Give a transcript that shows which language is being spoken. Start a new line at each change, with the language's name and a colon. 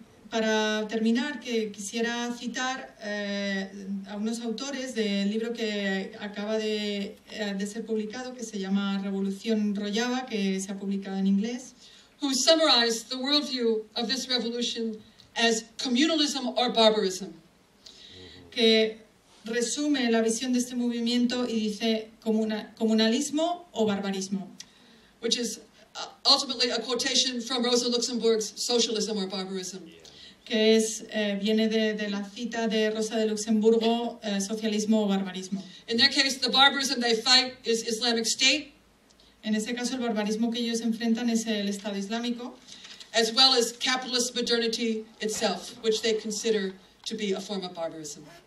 Spanish: Para terminar, que quisiera citar a unos autores del libro que acaba de ser publicado, que se llama Revolución Rojava, que se ha publicado en inglés.
English: Who summarized the worldview of this revolution as communalism or barbarism.
Spanish: Que resume la visión de este movimiento y dice comunalismo o barbarismo.
English: Which is ultimately a quotation from Rosa Luxemburg's Socialism or Barbarism.
Spanish: que es viene de la cita de Rosa de Luxemburgo, socialismo o barbarismo.
English: In their case, the barbarism they fight is Islamic State.
Spanish: En ese caso, el barbarismo que ellos enfrentan es el Estado Islámico.
English: As well as capitalist modernity itself, which they consider to be a form of barbarism.